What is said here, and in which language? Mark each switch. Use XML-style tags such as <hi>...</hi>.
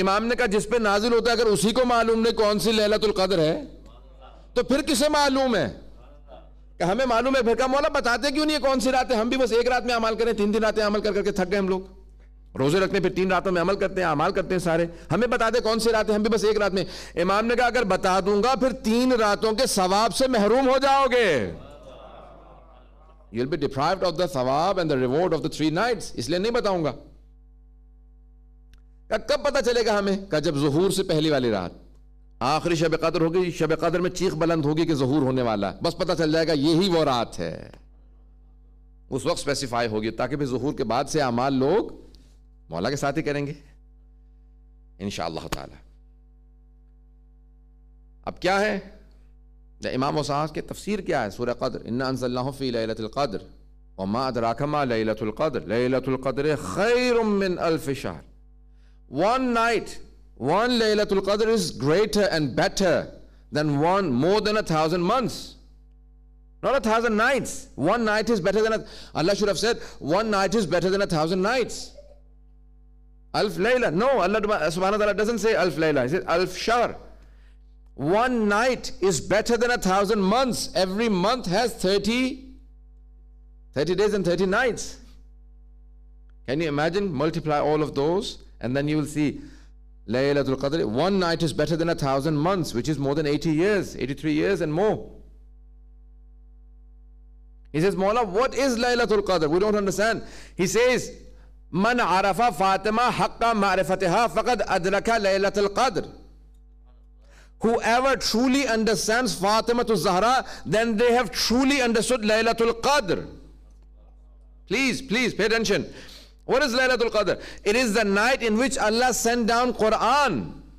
<ur>امام نے کہا جس پہ نازل ہوتا ہے اگر اسی کو معلوم نہیں کون سی لیلۃ القدر ہے تو پھر کسے معلوم ہے؟ کہ ہمیں معلوم ہے. پھر کہا مولا بتاتے کیوں نہیں کون سی رات ہے؟ ہم بھی بس ایک رات میں عمل کریں. تین دن راتیں عمل کر کے تھک گئے ہم لوگ. روزے رکھتے ہیں پھر تین راتوں میں عمل کرتے ہیں, عمل کرتے ہیں سارے. ہمیں بتا دے کون سی رات ہے, ہم بھی بس ایک رات میں. امام نے کہا اگر بتا دوں گا پھر تین راتوں کے ثواب سے محروم ہو جاؤ گے.</ur> <en>You'll be deprived of the ثواب and the reward of the three nights.</en> <ur>اس لیے نہیں بتاؤں گا. کہا کب پتا چلے گا ہمیں؟ کہا جب ظہور سے پہلی والی رات آخری شب قدر ہوگی, شب قدر میں چیخ بلند ہوگی کہ ظہور ہونے والا ہے, بس پتہ چل جائے گا یہی وہ رات ہے. اس وقت سپیسیفائی ہوگی تاکہ پھر ظہور کے بعد سے اعمال لوگ مولا کے ساتھ ہی کریں گے انشاءاللہ تعالی. اب کیا ہے امام وساس کے تفسیر کیا ہے سورہ قدر؟</ur> <ar>انا انزلناہ فی لیلۃ القدر وما ادراک ما لیلۃ القدر لیلۃ القدر خیر من الف شہر.</ar> <en>One night, one laylatul qadr is greater and better than one, more than 1,000 months, not 1,000 nights. One night is better than Allah should have said one night is better than 1,000 nights. Alf layla, no, Allah subhanahu wa ta'ala doesn't say alf layla, he said alf shahr. One night is better than 1,000 months. Every month has 30 days and 30 nights. Can you imagine? Multiply all of those and then you will see Laylatul Qadr, one night is better than 1,000 months, which is more than 80 years, 83 years and more. He says, Mawla, what is Laylatul Qadr? We don't understand. He says,</en> <ar>من عرف فاطمه حق معرفتها فقد ادرك ليله القدر.</ar> <en>Whoever truly understands Fatima to Zahra, then they have truly understood Laylatul Qadr. Please pay attention. What is Laylatul Qadr? It is the night in which Allah sent down Quran.</en>